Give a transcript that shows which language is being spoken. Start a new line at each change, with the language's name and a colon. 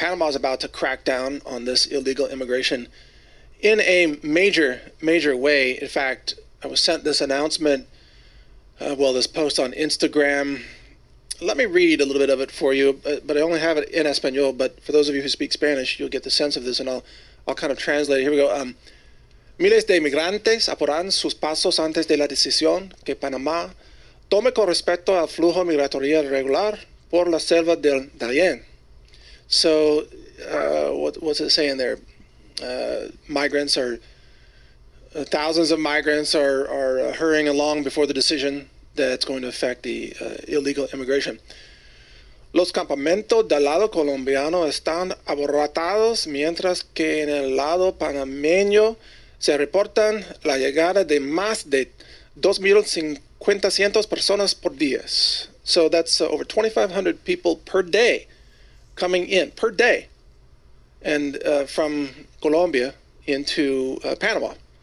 English: Panama is about to crack down on this illegal immigration in a major, major way. In fact, I was sent this announcement, this post on Instagram. Let me read a little bit of it for you, but I only have it in Espanol. But for those of you who speak Spanish, you'll get the sense of this, and I'll kind of translate it. Here we go.
Spanish: Miles de migrantes apuran sus pasos antes de la decisión que Panamá tome con respecto al flujo migratorio regular por la selva del Darién.
English: So, what's it saying there? Migrants are thousands of migrants are hurrying along before the decision that's going to affect the illegal immigration.
Spanish: Los campamentos del lado colombiano están abarrotados mientras que en el lado panameño se reportan la llegada de más de 2,500 personas por días.
English: So that's over 2,500 people per day coming in, per day, and from Colombia into Panama.